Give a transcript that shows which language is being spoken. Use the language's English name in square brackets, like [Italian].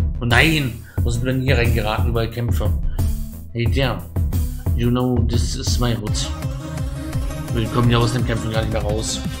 [German] Oh nein, wo sind wir denn hier reingeraten bei Kämpfe? [English] Hey der, you know this is my hood. [German] Wir kommen ja aus dem Kämpfen gar nicht mehr raus.